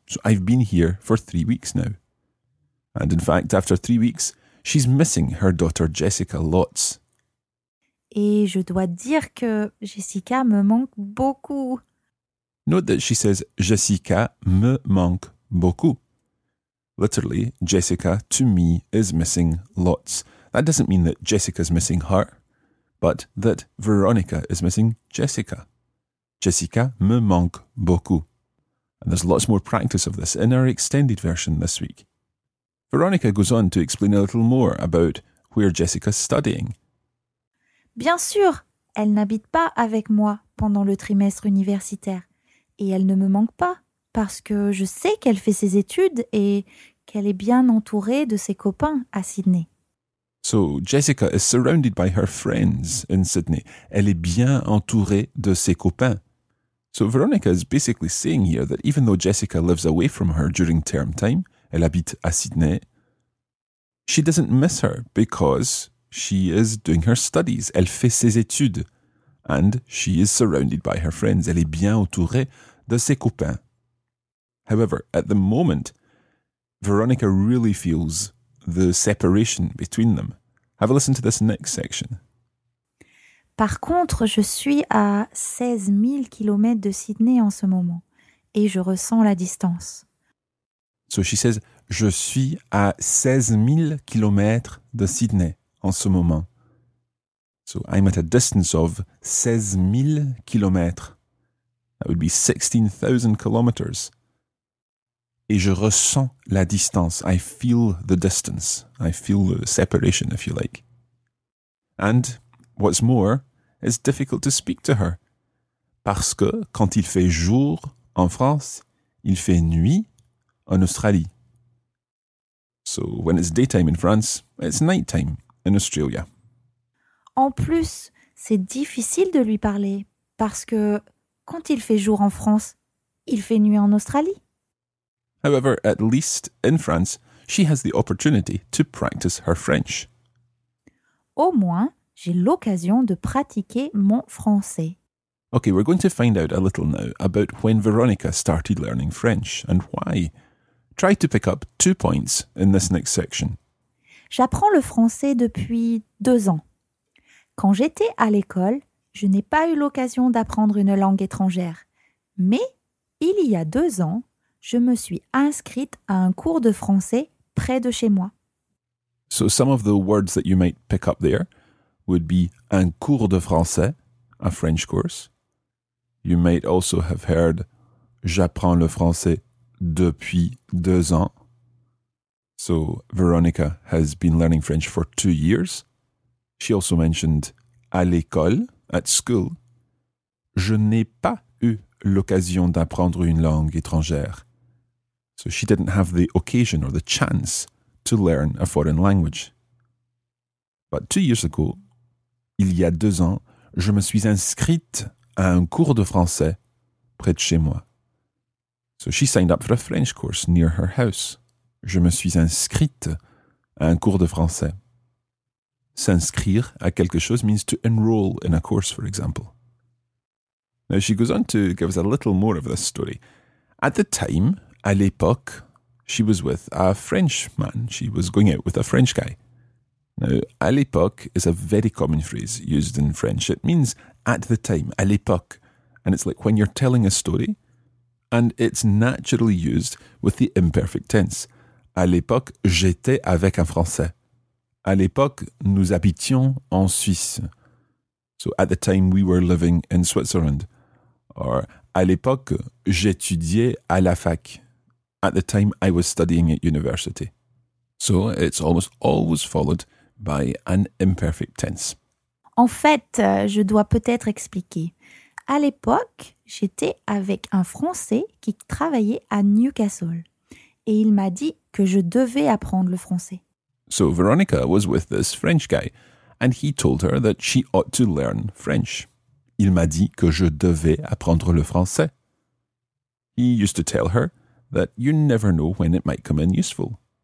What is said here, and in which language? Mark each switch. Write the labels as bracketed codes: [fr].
[en] So I've been here for 3 weeks now. And in fact, after 3 weeks, she's missing her daughter Jessica lots. [fr] Et je dois dire que Jessica me manque beaucoup. [en] Note that she says, Jessica [fr] me manque beaucoup. [en] Literally, Jessica, to me, is missing lots. That doesn't mean that Jessica's missing her, but that Veronica is missing Jessica. [fr] Jessica me manque beaucoup. [en] And there's lots more practice of this in our extended version this week. Veronica goes on to explain a little more about where Jessica's studying. [fr] Bien sûr, elle n'habite pas avec moi pendant le trimestre universitaire. Et elle ne me manque pas, parce que je sais qu'elle fait ses études et qu'elle est bien entourée de ses copains à Sydney. [en] So, Jessica is surrounded by her friends in Sydney. [fr] Elle est bien entourée de ses copains. [en] So, Veronica is basically saying here that even though Jessica lives away from her during term time, [fr] elle habite à Sydney, [en] she doesn't miss her because she is doing her studies. [fr] Elle fait ses études. [en] And she is surrounded by her friends. [fr] Elle est bien entourée de ses copains. [en] However, at the moment, Veronica really feels the separation between them. Have a listen to this next section. [fr] Par contre, je suis à 16 000 kilomètres de Sydney en ce moment et je ressens la distance. [en] So she says, [fr] je suis à 16 000 kilomètres de Sydney en ce moment. [en] So I'm at a distance of 16 000 kilomètres. That would be 16,000 kilometers. [fr] Et je ressens la distance. [en] I feel the distance. I feel the separation, if you like. And what's more, it's difficult to speak to her. [fr] Parce que quand il fait jour en France, il fait nuit en Australie. [en] So when it's daytime in France, it's nighttime in Australia. [fr] En plus, c'est difficile de lui parler parce que quand il fait jour en France, il fait nuit en Australie. [en] However, at least in France, she has the opportunity to practice her French. [fr] Au moins, j'ai l'occasion de pratiquer mon français. [en] Okay, we're going to find out a little now about when Veronica started learning French and why. Try to pick up 2 points in this next section. [fr] J'apprends le français depuis 2 ans. Quand j'étais à l'école, je n'ai pas eu l'occasion d'apprendre une langue étrangère. Mais il y a 2 ans, je me suis inscrite à un cours de français près de chez moi. [en] So some of the words that you might pick up there would be [fr] un cours de français, [en] a French course. You might also have heard [fr] j'apprends le français depuis 2 ans. [en] So Veronica has been learning French for 2 years. She also mentioned [fr] à l'école, [en] at school. [fr] Je n'ai pas eu l'occasion d'apprendre une langue étrangère. [en] So she didn't have the occasion or the chance to learn a foreign language. But 2 years ago, [fr] il y a 2 ans, je me suis inscrite à un cours de français près de chez moi. [en] So she signed up for a French course near her house. [fr] Je me suis inscrite à un cours de français. S'inscrire à quelque chose [en] means to enroll in a course, for example. Now she goes on to give us a little more of this story. At the time, [fr] à l'époque, [en] she was with a French man. She was going out with a French guy. Now, à l'époque is a very common phrase used in French. It means at the time, à l'époque. And it's like when you're telling a story, and it's naturally used with the imperfect tense. [fr] À l'époque, j'étais avec un Français. À l'époque, nous habitions en Suisse. [en] So, at the time, we were living in Switzerland. [fr] Or, à l'époque, j'étudiais à la fac. [en] At the time, I was studying at university. So, it's almost always followed by an imperfect tense. [fr] En fait, je dois peut-être expliquer. À l'époque, j'étais avec un Français qui travaillait à Newcastle. Et il m'a dit que je devais apprendre le français. [en] So Veronica was with this French guy, and he told her that she ought to learn French. [fr] Il m'a dit que je devais apprendre le français. [en] He used to tell her that you never know when it might come in useful.